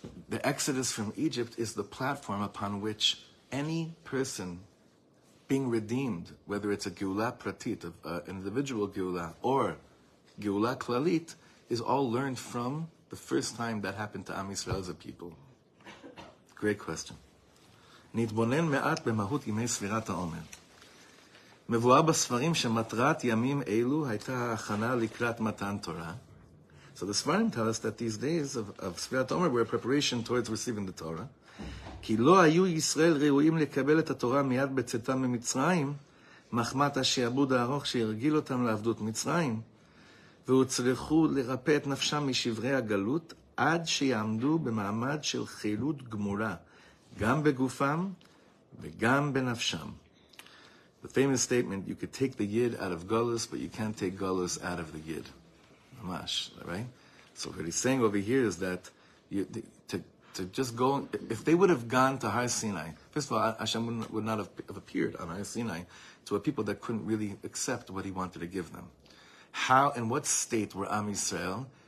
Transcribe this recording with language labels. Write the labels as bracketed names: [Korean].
[English] exodus from Egypt is the platform upon which any person being redeemed, whether it's a Geula pratit, an individual Geula, or Geula klalit, is all learned from the first time that happened to Am Yisrael as a people. Great question. [Hebrew] נתבונן מעט במהות ימי ספירת העומר. מבואה בספרים שמטרת ימים אלו הייתה הכנה לקראת מתן תורה. [English] So the Svarim tell us that these days of ספירת העומר were a preparation towards receiving the Torah. [Hebrew] כי לא היו ישראל ראויים לקבל את התורה מיד בצאתם ממצרים, מחמת השעבוד הארוך שהרגיל אותם לעבדות מצרים, והוצרכו לרפא את נפשם משברי הגלות עד שיעמדו במעמד של חילות גמורה. Gam begufam, v'gam benafsham. [English] The famous statement, you could take the yid out of galus, but you can't take galus out of the yid. Mamash, right? So what he's saying over here is that to just go, if they would have gone to Har Sinai, first of all, Hashem would not have appeared on Har Sinai to a people that couldn't really accept what he wanted to give them. How and what state were Am Yisrael